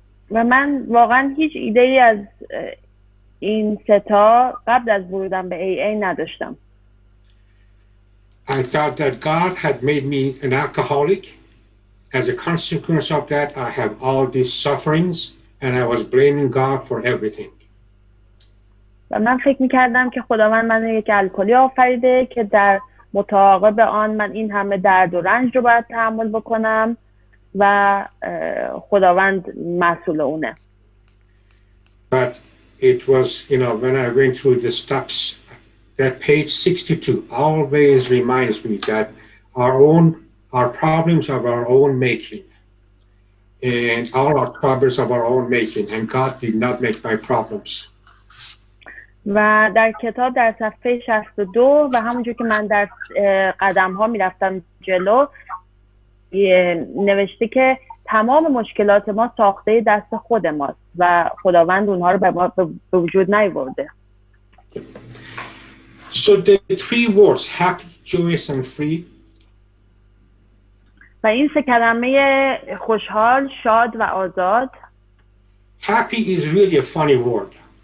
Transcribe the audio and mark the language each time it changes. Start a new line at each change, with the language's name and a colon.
Persian: و من واقعا هیچ ایده‌ای از این ستا قبل از ورودم به AA نداشتم.
English: I thought that God had made me an alcoholic. As a consequence of that, I have all these sufferings and I was blaming God for everything.
Persian: و من فکر می‌کردم که خداوند من یک الکلی آفریده که در متعاقب آن من این همه درد و رنج رو باید تحمل بکنم و خداوند مسئول اونه.
English: But it was, you know, when I went through the steps, that page 62 always reminds me that our problems of our own making and all our troubles of our own making and God did not make my problems.
Persian: و در کتاب در صفحه 62 و همونجور که من در قدم ها می رفتم جلو نوشته که تمام مشکلات ما ساخته دست خود ماست و خداوند اونها رو به وجود نیاورده.
English: So the three words happy, joyous and free.
Persian: و این سه کلمه خوشحال، شاد و آزاد.
English: Happy is really a funny word.